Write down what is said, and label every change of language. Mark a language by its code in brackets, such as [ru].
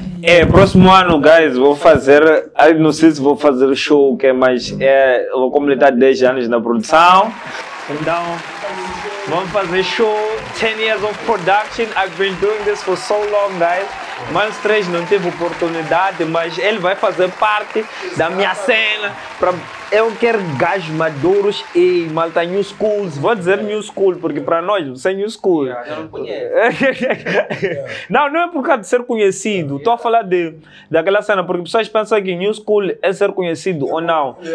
[pt] É, próximo ano, guys, vou fazer, não sei se vou fazer show ou o que, mas é, vou completar 10 anos na produção. Então, vamos fazer show, [en] 10 years of production, I've been doing this for so long, guys. [pt] Miles 3 não teve oportunidade, mas ele vai fazer parte da minha cena. Eu quero gajos maduros e malta [en] new schools. [pt] Vou dizer new school, porque para nós você é new school. Eu não conheço. Não, não é por causa de ser conhecido. Estou a falar daquela cena, porque pessoas pensam que new school é ser conhecido ou não.